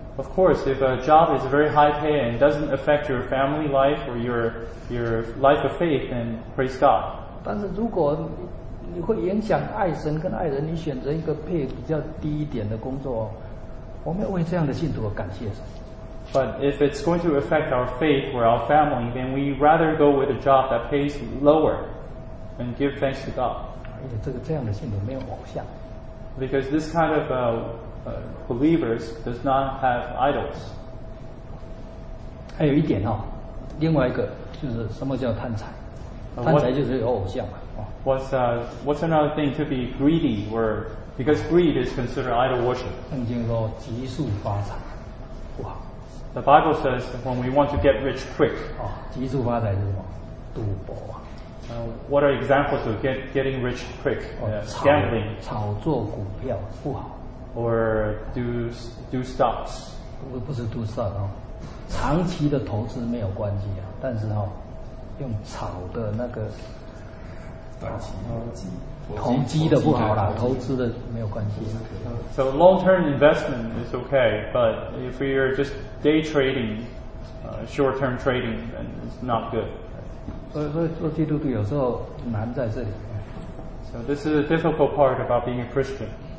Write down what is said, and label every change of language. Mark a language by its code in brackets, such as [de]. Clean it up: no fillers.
[en] Of course, if a job is very high paid and doesn't affect your family life or your life of faith, then praise God. [zh] 但是如果你会影响爱神跟爱人，你选择一个配比较低一点的工作，我们要为这样的信徒而感谢神。 [en] But if it's going to affect our faith or our family, then we rather go with a job that pays lower and give thanks to God. [zh] 而且这样的信徒没有偶像。 [en] Because this kind of believers does not have idols. [zh] 还有一点哦，另外一个就是什么叫贪财？贪财就是有偶像嘛。 [en] What's another thing to be greedy? Or because greed is considered idol worship. [zh] 圣经说急速发财，哇！ [en] The Bible says when we want to get rich quick. [zh] 急速发财是什么？赌博。 [en] What are examples of getting rich quick? Gambling. [zh] 炒作股票不好。 [en] Or do stocks. [zh] 不是 [en] do stocks [zh] 啊、哦，长期的投资没有关系啊，但是哦，用炒的那个短期投机的不好啦，投资的没有关系。 [en] So long-term investment is okay, but if you're just day trading, short-term trading, then it's not good. [zh] 所以做基督徒有时候难在这里。 [en] So this is a difficult part about being a Christian.